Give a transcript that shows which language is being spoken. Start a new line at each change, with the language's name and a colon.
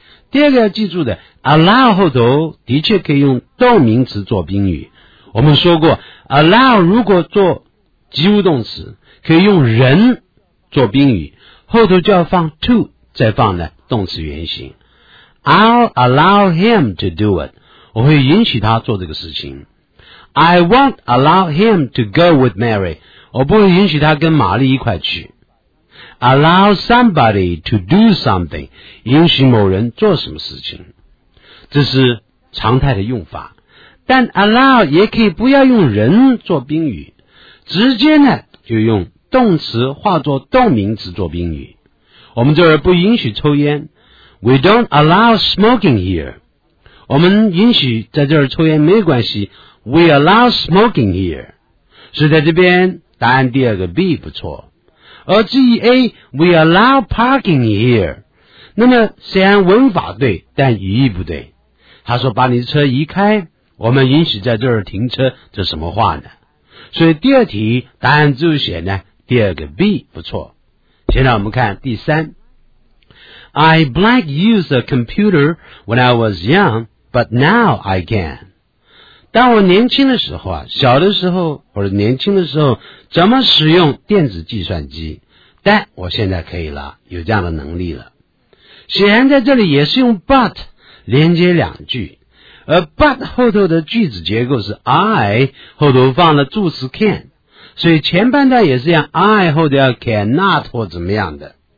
Chinese: 第二个要记住的， allow 后头的确可以用动名词做宾语，我们说过 allow 如果做及物动词可以用人做宾语，后头就要放 to 再放呢动词原形。
English: I'll allow him to do it.
Chinese: 我会允许他做这个事情。
English: I won't allow him to go with Mary.
Chinese: 我不会允许他跟玛丽一块去。
English: Allow somebody to do something.
Chinese: 允许某人做什么事情。这是常态的用法。但 allow 也可以不要用人做宾语。直接呢就用动词化作动名词做宾语。我们这儿不允许抽烟。
English: We don't allow smoking here.
Chinese: 我们允许在这儿抽烟没关系。
English: We allow smoking here.
Chinese: 所以在这边答案第二个 B 不错。而至于
English: A, we allow parking here.
Chinese: 那么虽然文法对但语义不对。他说把你的车移开我们允许在这儿停车，这什么话呢？所以第二题答案就写呢第二个 B 不错。现在我们看第三。
English: I blank use a computer when I was young, but now I can.
Chinese: 当我年轻的时候啊，小的时候或者年轻的时候，怎么使用电子计算机？但我现在可以了，有这样的能力了。显然在这里也是用 but 连接两句，而 but 后头的句子结构是 I 后头放了助词 can， 所以前半段也是像 I 后头要 cannot 或怎么样的。